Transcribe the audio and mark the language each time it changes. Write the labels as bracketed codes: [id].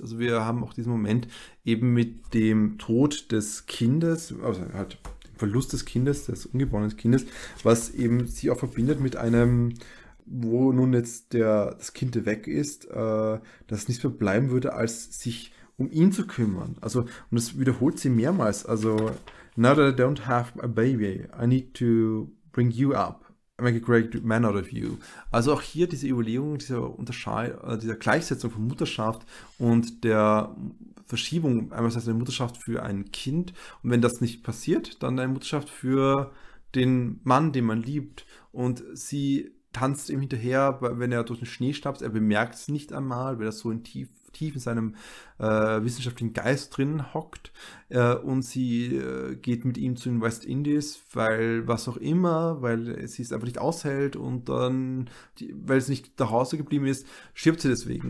[de] Also wir haben auch diesen Moment eben mit dem Tod des Kindes, also halt dem Verlust des Kindes, des ungeborenen Kindes, was eben sie auch verbindet mit einem, wo nun jetzt das Kind weg ist, dass es nichts mehr bleiben würde, als sich um ihn zu kümmern. Also, und das wiederholt sie mehrmals. [en] Also, now that I don't have a baby, I need to bring you up, make a great man out of you. [de] Also auch hier diese Überlegung, dieser Gleichsetzung von Mutterschaft und der Verschiebung, einerseits eine Mutterschaft für ein Kind und wenn das nicht passiert, dann eine Mutterschaft für den Mann, den man liebt. Und sie tanzt ihm hinterher, wenn er durch den Schnee stapft, er bemerkt es nicht einmal, weil er so tief in seinem wissenschaftlichen Geist drin hockt und sie geht mit ihm zu den West Indies, weil was auch immer, weil sie es einfach nicht aushält und dann, weil es nicht nach Hause geblieben ist, stirbt sie deswegen.